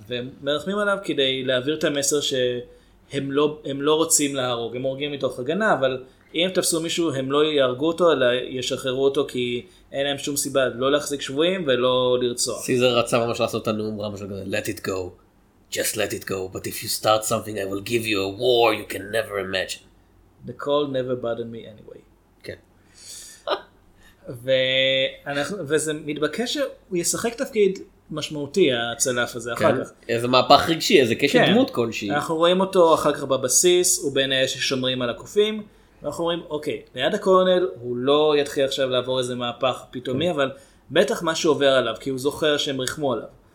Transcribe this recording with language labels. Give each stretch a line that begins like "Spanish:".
Hebrew: ומרחמים עליו כדי להעביר את המסר שהם לא, הם לא רוצים להרוג. הם הורגים מתוך הגנה, אבל אם תפסו מישהו, הם לא יהרגו אותו, אלא ישחררו אותו, כי אין להם שום סיבה לא להחזיק שבועים ולא לרצוח. סיזר רצה ממש לעשות את הנאום רמה שלו,
English: let it go, just let it go, but if you start something, I will give you a war you can never imagine. Nicole never bothered me anyway.
Hebrew: כן. ואנחנו, וזה מתבקש שהוא ישחק תפקיד משמעותי, הצלף הזה, כן. אחר כך. איזה מהפך רגשי, איזה קשת כן. דמות כלשהי. אנחנו רואים אותו אחר כך בבסיס, הוא בין אלה ששומרים על הקופים, ואנחנו אומרים, אוקיי, ליד הקורנל, הוא לא יתחיל עכשיו לעבור איזה מהפך פתאומי, אבל בטח משהו עובר עליו, כי הוא זוכר שהם ריחמו עליו.